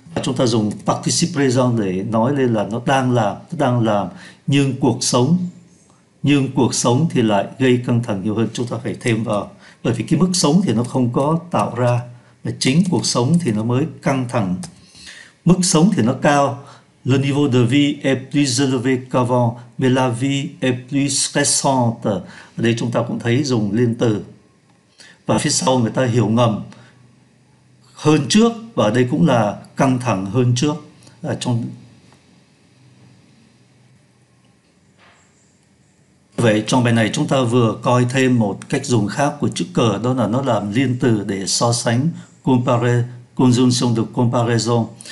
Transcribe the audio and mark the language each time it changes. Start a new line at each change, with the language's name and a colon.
Vietnamese: Chúng ta dùng participe présent để nói lên là nó đang làm, nhưng cuộc sống thì lại gây căng thẳng nhiều hơn. Chúng ta phải thêm vào, bởi vì cái mức sống thì nó không có tạo ra, mà chính cuộc sống thì nó mới căng thẳng. Mức sống thì nó cao,
French: le niveau de vie est plus élevé qu'avant, mais la vie est plus stressante.
Vietnamese: Ở đây chúng ta cũng thấy dùng liên từ, và phía sau người ta hiểu ngầm hơn trước, và ở đây cũng là căng thẳng hơn trước. Trong vậy, trong bài này chúng ta vừa coi thêm một cách dùng khác của chữ cờ, đó là nó làm liên từ để so sánh,
French: compare, conjunction de comparaison.